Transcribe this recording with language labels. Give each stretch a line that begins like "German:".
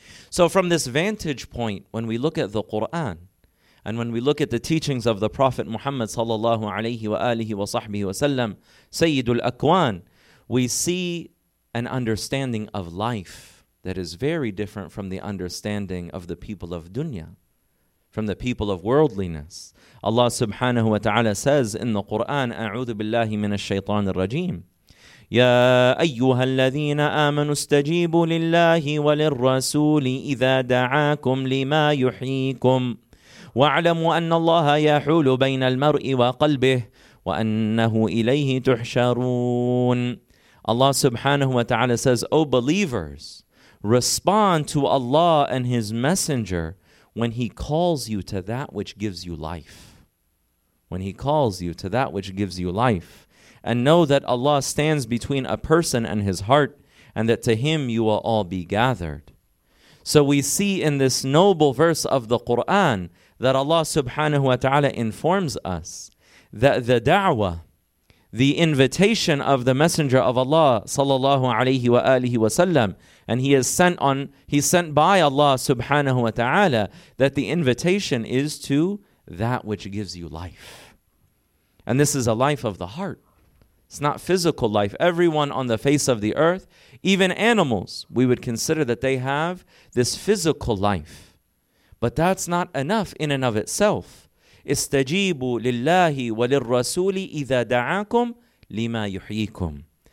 English: So from this vantage point, when we look at the Quran and when we look at the teachings of the Prophet Muhammad sallallahu alayhi wa alihi wa sahbihi wa sallam, Sayyidul Akwan, we see an understanding of life that is very different from the understanding of the people of dunya, from the people of worldliness. Allah subhanahu wa ta'ala says in the Quran,
Arabic: أعوذ بالله من الشيطان الرجيم يا أيها الذين آمنوا استجيبوا لله وللرسول إذا دعاكم لما يحييكم واعلموا أن الله يحول بين المرء وقلبه وأنه إليه تحشرون.
English: Allah subhanahu wa ta'ala says, O believers, respond to Allah and His Messenger when He calls you to that which gives you life. When He calls you to that which gives you life. And know that Allah stands between a person and his heart, and that to Him you will all be gathered. So we see in this noble verse of the Quran that Allah subhanahu wa ta'ala informs us that the da'wah, the invitation of the Messenger of Allah sallallahu alayhi wa alihi wa sallam, and he's sent by Allah subhanahu wa ta'ala, that the invitation is to that which gives you life. And this is a life of the heart. It's not physical life. Everyone on the face of the earth, even animals, we would consider that they have this physical life. But that's not enough in and of itself.
Arabic: استجيبوا لله وللرسول إذا دعاكم لما يحييكم.